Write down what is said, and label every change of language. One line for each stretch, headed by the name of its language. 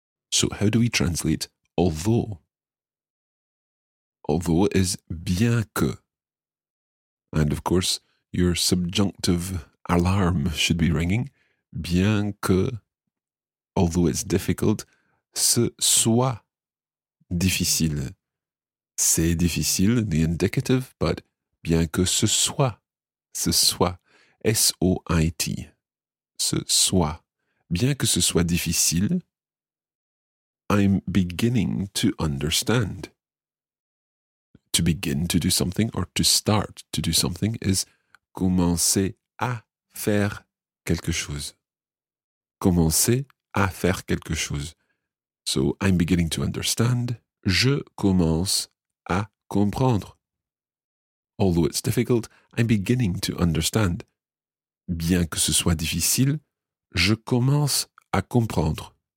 English: So how do we translate although? Although is bien que. And of course, your subjunctive alarm should be ringing.
French: Bien que,
English: although it's difficult,
French: ce soit difficile. C'est difficile,
English: the indicative, but
French: bien que ce soit, S-O-I-T, ce soit. Bien que ce soit difficile,
English: I'm beginning to understand. To begin to do something or to start to do something is
French: commencer à faire quelque chose. Commencer à faire quelque chose.
English: So I'm beginning to understand.
French: Je commence à comprendre.
English: Although it's difficult, I'm beginning to understand.
French: Bien que ce soit difficile, je commence à comprendre.